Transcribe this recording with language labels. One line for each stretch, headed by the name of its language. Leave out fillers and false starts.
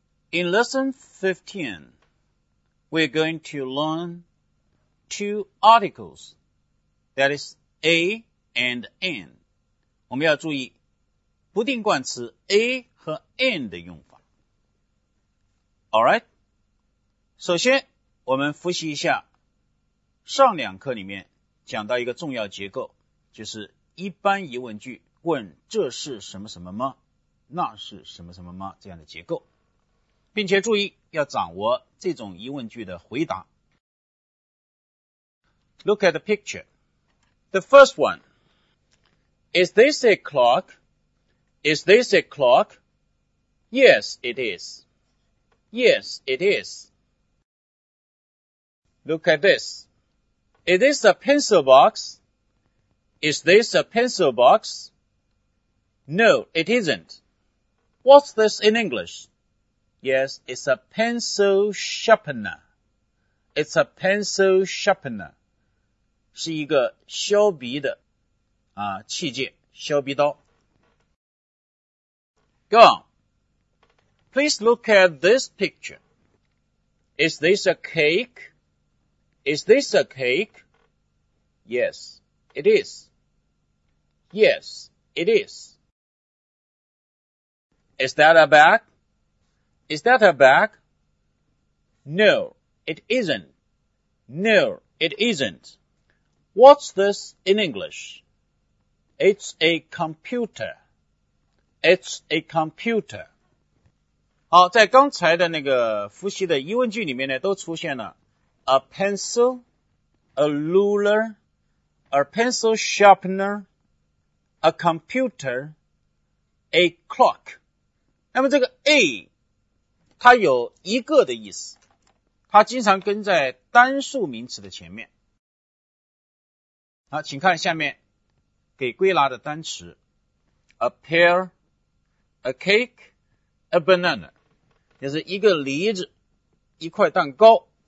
English: In lesson 15, we're going to learn two articles, that is A and N.
Chinese: 我们要注意不定冠词 A 和 N 的用法。
English: Alright?
Chinese: 首先我们复习一下上两课里面讲到一个重要结构，就是一般疑问句，问这是什么什么吗，那是什么什么吗，这样的结构，并且注意要掌握这种疑问句的回答。
English: Look at the picture. The first one, Is this a clock? Is this a clock? Yes, it is. Yes, it isLook at this. Is this a pencil box? Is this a pencil box? No, it isn't. What's this in English? Yes, it's a pencil sharpener. It's a pencil sharpener.
Chinese: 是一个削笔的啊器械，削笔刀。
English: Go on. Please look at this picture. Is this a cake? Is this a cake? Yes, it is. Yes, it is. Is that a bag? Is that a bag? No, it isn't. No, it isn't. What's this in English? It's a computer. It's a computer.
Chinese: 好，在刚才的那个复习的疑问句里面呢，都出现了
English: A pencil, a ruler, a pencil sharpener, a computer, a clock.
Chinese: 那么这个 A, 它有一个的意思，它经常跟在单数名词的前面。好，请看下面给归纳的单词
English: A pear, a cake, a banana,
Chinese: 就是一个梨子，一块蛋糕。